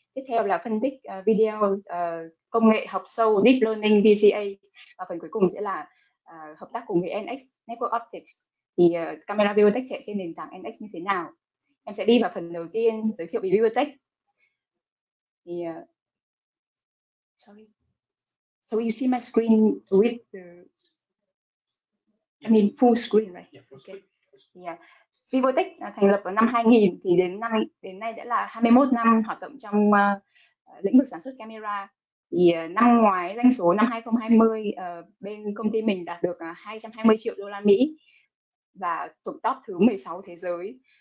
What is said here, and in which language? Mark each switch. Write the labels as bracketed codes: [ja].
[vi] Tiếp theo là phân tích video, công nghệ học sâu, Deep Learning, VCA. Và phần cuối cùng sẽ là hợp tác cùng với NX, Network Optics. Thì camera Biotech chạy trên nền tảng NX như thế nào? Em sẽ đi vào phần đầu tiên giới thiệu về Biotech. Thì, [en] sorry. So you see my screen with the... I mean full screen, right? Yeah. [vi] Biotech thành lập vào năm 2000, thì đến nay đã là 21 năm hoạt động trong lĩnh vực sản xuất camera. Thì năm ngoái doanh số năm 2020 bên công ty mình đạt được 220 triệu đô la Mỹ và thuộc top thứ 16 thế giới.